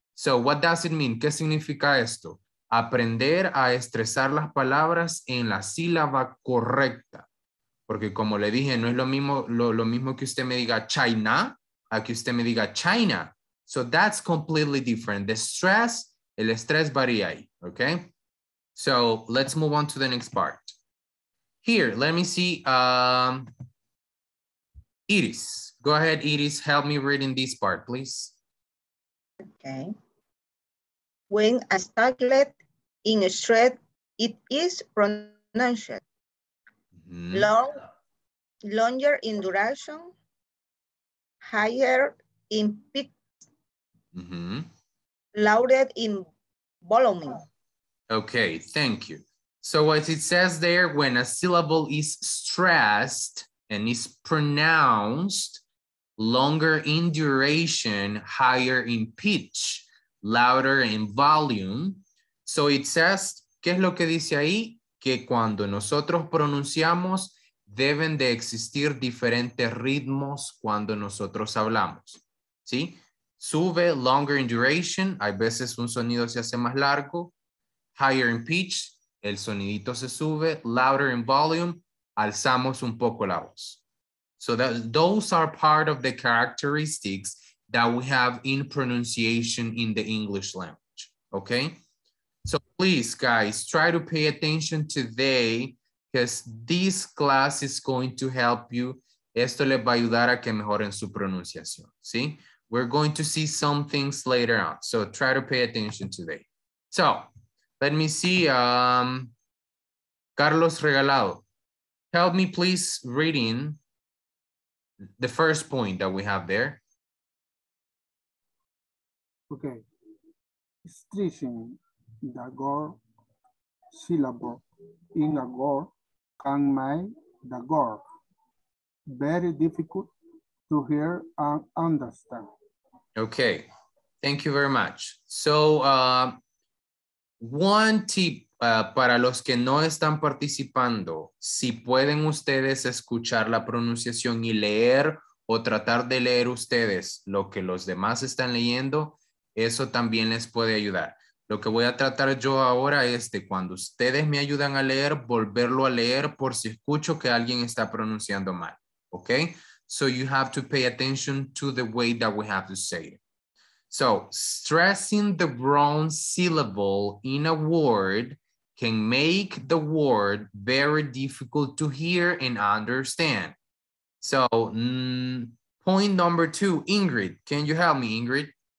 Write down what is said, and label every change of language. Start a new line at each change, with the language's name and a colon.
English: So what does it mean?
Spanish: ¿Qué significa esto? Aprender a estresar las palabras en la sílaba correcta. Porque como le dije, no es lo mismo que usted me diga China a que usted me diga China.
English: So that's completely different. The stress,
Spanish: el estrés varía ahí.
English: Okay? So let's move on to the next part. Here, let me see, Iris. Go ahead, Iris, help me read in this part, please. Okay. When a staglet in a shred, it is pronunciated. Mm-hmm. Longer in duration, higher in pitch, mm-hmm. Louder in volume. Okay, thank you. So what it says there, when a syllable is stressed and is pronounced longer in duration, higher in pitch, louder in volume. So it says,
Spanish: ¿qué es lo que dice ahí? Que cuando nosotros pronunciamos, deben de existir diferentes ritmos cuando nosotros hablamos. ¿Sí? Sube,
English: longer in duration,
Spanish: hay veces un sonido se hace más largo,
English: higher in pitch,
Spanish: el sonidito se sube,
English: louder in volume,
Spanish: alzamos un poco la voz.
English: So that, those are part of the characteristics that we have in pronunciation in the English language, okay? So please, guys, try to pay attention today because this class is going to help you.
Spanish: Esto les va a ayudar a que mejoren su pronunciación, ¿sí?
English: We're going to see some things later on. So try to pay attention today. So, let me see, Carlos Regalado, help me please reading the first point that we have there. Okay. stressing the gore syllable in a gore can make the gore very difficult to hear and understand. Okay, thank you very much. So, one tip
Spanish: para los que no están participando, si pueden ustedes escuchar la pronunciación y leer o tratar de leer ustedes lo que los demás están leyendo, eso también les puede ayudar. Lo que voy a tratar yo ahora es de cuando ustedes me ayudan a leer, volverlo a leer por si escucho que alguien está pronunciando mal.
English: Okay? So you have to pay attention to the way that we have to say it. So stressing the wrong syllable in a word can make the word very difficult to hear and understand. So point number two, Ingrid, can you help me, Ingrid?